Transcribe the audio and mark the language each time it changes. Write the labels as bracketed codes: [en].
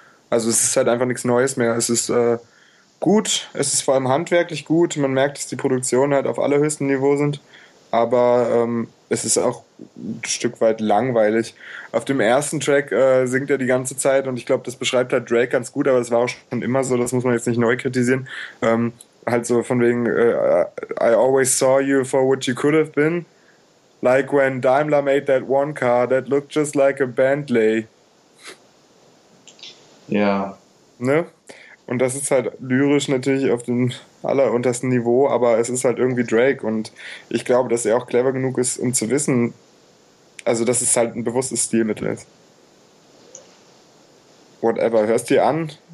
[de] Also es ist halt einfach nichts Neues mehr. Es ist gut, es ist vor allem handwerklich gut, man merkt, dass die Produktionen halt auf allerhöchstem Niveau sind, aber es ist auch ein Stück weit langweilig. Auf dem ersten Track singt er die ganze Zeit, und ich glaube, das beschreibt halt Drake ganz gut, aber es war auch schon immer so, das muss man jetzt nicht neu kritisieren, halt so von wegen, [en] I always saw you for what you could have been. Like when Daimler made that one car that looked just like a Bentley. [de] Ja. Ne? Und das ist halt lyrisch natürlich auf dem alleruntersten Niveau, aber es ist halt irgendwie Drake und ich glaube, dass er auch clever genug ist, um zu wissen, also dass es halt ein bewusstes Stilmittel ist. Whatever, hörst du dir an?